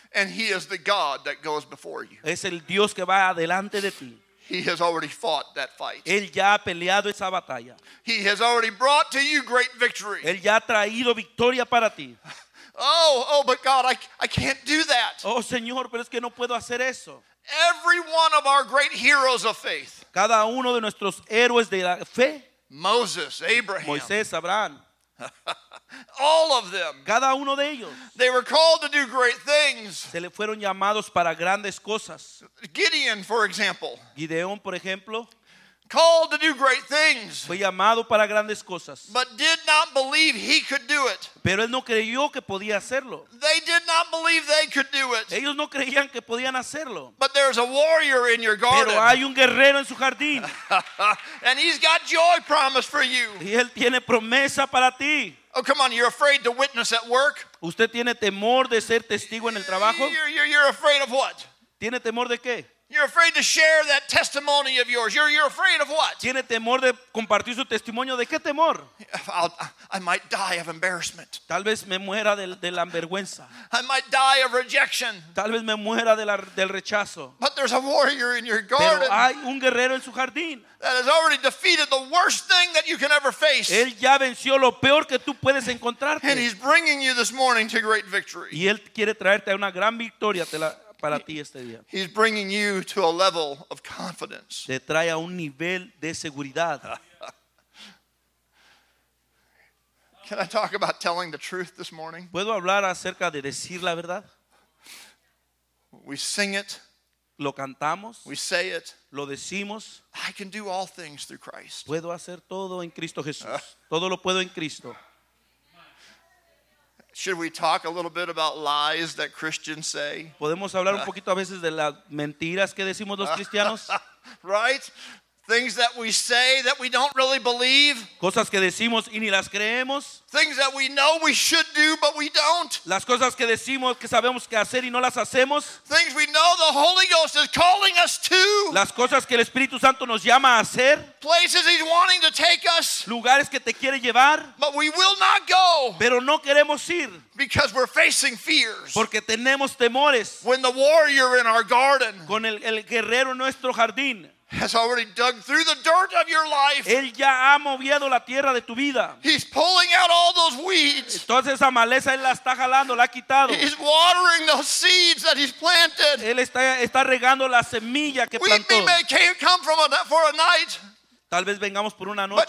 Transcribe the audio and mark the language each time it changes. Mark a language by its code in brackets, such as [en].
[en] And he is the God that goes before you. [es] Es el Dios que va adelante de ti. [en] He has already fought that fight. [es] Él ya ha peleado esa batalla. [en] He has already brought to you great victory. [es] Él ya ha traído victoria para ti. [en] Oh, but God, I can't do that. [es] Oh, Señor, pero es que no puedo hacer eso. [en] Every one of our great heroes of faith. [es] Cada uno de nuestros héroes de la fe. [en] Moses, Abraham. [es] Moisés, Abraham. [en] All of them. [es] Cada uno de ellos. [en] They were called to do great things. [es] Se le fueron llamados para grandes cosas. [en] Gideon, for example. [es] Gideon, por ejemplo. [en] Called to do great things. [es] Fue llamado para grandes cosas. [en] But did not believe he could do it. [es] Pero él no creyó que podía hacerlo. [en] They did not believe they could do it. [es] Ellos no creían que podían hacerlo. [en] But there's a warrior in your garden. [es] Pero hay un guerrero en su jardín. [en] And he's got joy promised for you. [es] Y él tiene promesa para ti. [en] Oh, come on, you're afraid to witness at work? [es] ¿Usted tiene temor de ser testigo en el trabajo? [en] You're afraid of what? [es] ¿Tiene temor de qué? [en] You're afraid to share that testimony of yours. You're afraid of what? [es] ¿Tiene temor de compartir su testimonio? ¿De qué temor? [en] I might die of embarrassment. [es] Tal vez me muera de la vergüenza. [en] I might die of rejection. [es] Tal vez me muera del rechazo. [en] But there's a warrior in your garden. [es] Pero hay un guerrero en su jardín. [en] That has already defeated the worst thing that you can ever face. [es] Él ya venció lo peor que tú puedes encontrarte. [en] And he's bringing you this morning to great victory. [es] Y él quiere traerte a una gran victoria. Para ti este día. [en] He's bringing you to a level of confidence. [es] Te trae a un nivel de seguridad. [en] Can I talk about telling the truth this morning? [es] ¿Puedo hablar acerca de decir la verdad? [en] We sing it. [es] Lo cantamos. [en] We say it. [es] Lo decimos. [en] I can do all things through Christ. [es] Puedo hacer todo en Cristo Jesús. Todo lo puedo en Cristo. [en] Should we talk a little bit about lies that Christians say? [es] ¿Podemos hablar un poquito a veces de las mentiras que decimos los cristianos? [en] Right? Things that we say that we don't really believe. [es] Cosas que decimos y ni las creemos. [en] Things that we know we should do but we don't. [es] Las cosas que decimos que sabemos que hacer y no las hacemos. [en] Things we know the Holy Ghost is calling us to. [es] Las cosas que el Espíritu Santo nos llama a hacer. [en] Places he's wanting to take us. [es] Lugares que te quiere llevar. [en] But we will not go. [es] Pero no queremos ir. [en] Because we're facing fears. [es] Porque tenemos temores. [en] When the warrior in our garden. [es] Con el guerrero en nuestro jardín. [en] Has already dug through the dirt of your life. [es] Él ya ha movido la tierra de tu vida. [en] He's pulling out all those weeds. [es] Entonces esa maleza él la está jalando, la ha quitado. [en] He's watering those seeds that he's planted. [es] Él está regando la semilla que plantó. [en] We may come from for a night. [es] Tal vez vengamos por una noche.